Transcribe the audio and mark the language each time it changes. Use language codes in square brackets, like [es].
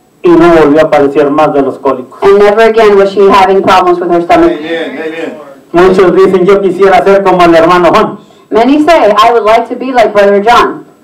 [es] Y no volvió a aparecer más de los cólicos. [en] And never again was she having problems with her stomach. Amen, amen. [es] Muchos dicen, yo quisiera ser como el hermano Juan. [en] Many say, I would like to be like Brother John.